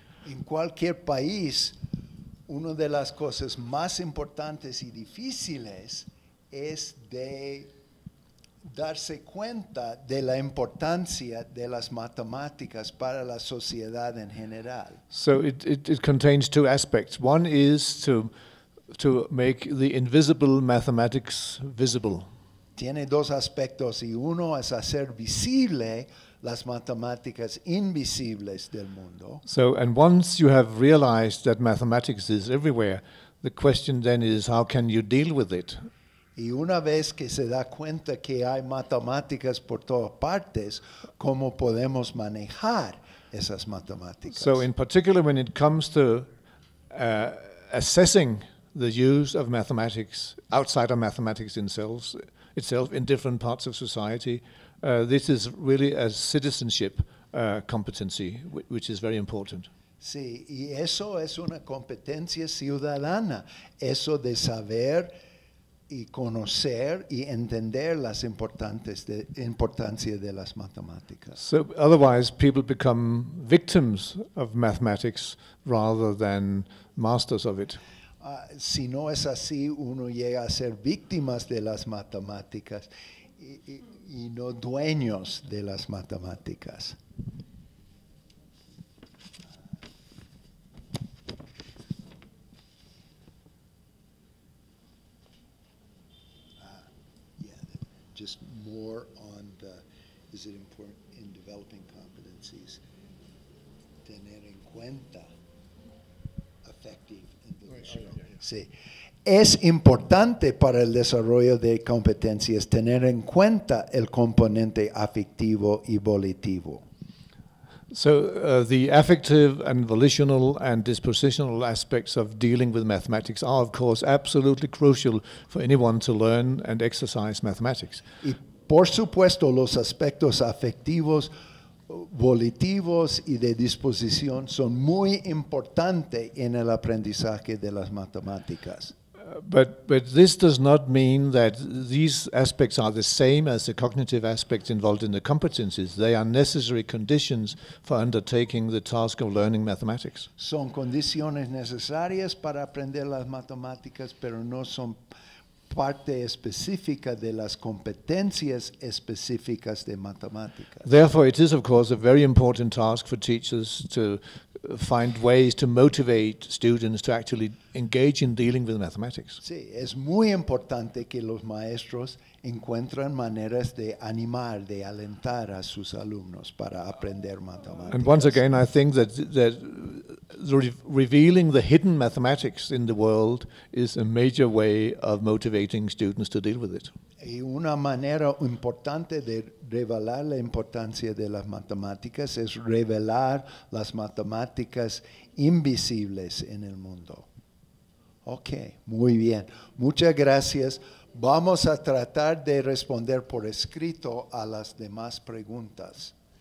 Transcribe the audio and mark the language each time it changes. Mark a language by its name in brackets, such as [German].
[Spanish] En cualquier país, una de las cosas más importantes y difíciles es de darse cuenta de la importancia de las matemáticas para la sociedad en general. [English] So it contains two aspects. One is to make the invisible mathematics visible. [Spanish] Tiene dos aspectos y uno es hacer visible las matemáticas invisibles del mundo. [English] So, and once you have realized that mathematics is everywhere, the question then is, how can you deal with it? [Spanish] Y una vez que se da cuenta que hay matemáticas por todas partes, ¿cómo podemos manejar esas matemáticas? [English] So, in particular, when it comes to assessing the use of mathematics outside of mathematics itself in different parts of society, this is really a citizenship competency, which is very important. [Spanish] Sí, y eso es una competencia ciudadana, eso de saber y conocer y entender las importancia de las matemáticas. [English] So otherwise, people become victims of mathematics rather than masters of it. [Spanish] Si no es así, uno llega a ser víctimas de las matemáticas. Y no dueños de las matemáticas. [English] Just more on the, is it important in developing competencies, [Spanish] tener en cuenta [English] effective intervention. Sí. [Spanish] Es importante para el desarrollo de competencias tener en cuenta el componente afectivo y volitivo. [English] So the affective and volitional and dispositional aspects of dealing with mathematics are of course absolutely crucial for anyone to learn and exercise mathematics. [Spanish] Y por supuesto los aspectos afectivos, volitivos y de disposición son muy importantes en el aprendizaje de las matemáticas. [English] But this does not mean that these aspects are the same as the cognitive aspects involved in the competencies. They are necessary conditions for undertaking the task of learning mathematics. [Spanish] Son condiciones necesarias para aprender las matemáticas, pero no son parte específica de las competencias específicas de matemáticas. [English] Therefore, it is, of course, a very important task for teachers to find ways to motivate students to actually engage in dealing with mathematics. [Spanish] Sí, es muy importante que los maestros encuentren maneras de animar, de alentar a sus alumnos para aprender matemáticas. [English] And once again, I think that revealing the hidden mathematics in the world is a major way of motivating students to deal with it. [Spanish] Y una manera importante de revelar la importancia de las matemáticas es revelar las matemáticas invisibles en el mundo. Ok, muy bien. Muchas gracias. Vamos a tratar de responder por escrito a las demás preguntas.